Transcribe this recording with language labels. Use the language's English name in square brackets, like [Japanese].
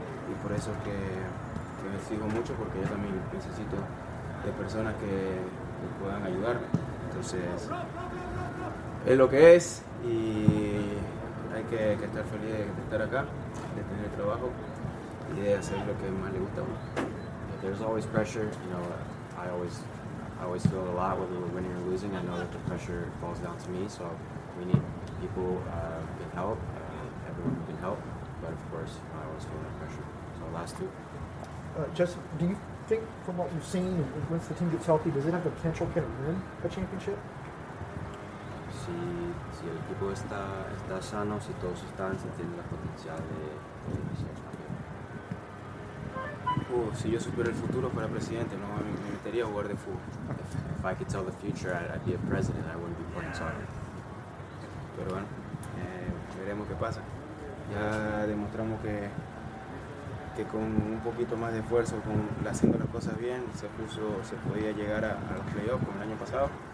[Spanish] Y por eso es que me sigo mucho, porque yo también necesito de personas que puedan ayudarme. Entonces, es lo que es. Y hay que estar feliz de estar acá, de tener el trabajo y de hacer lo que más le gusta a uno. [English] There's always pressure, you know, I always feel a lot whether we're winning or losing. I know that the pressure falls down to me, so we need people who can help, everyone who can help. But of course, you know, I always feel that pressure. So last two. Do you think from what you've seen, once the team gets healthy, does it have the potential to win a championship? [Spanish] Si el equipo está sano, si todos están, se tiene la potencial de ser campeón. Si yo supiera el futuro, fuera presidente, no me metería a jugar de fútbol. [English] If I could tell the future, I'd be a president. I wouldn't be playing soccer. [Spanish] Pero bueno, veremos qué pasa. Ya demostramos que con un poquito más de esfuerzo, con haciendo las cosas bien, se podía llegar a los playoffs como el año pasado.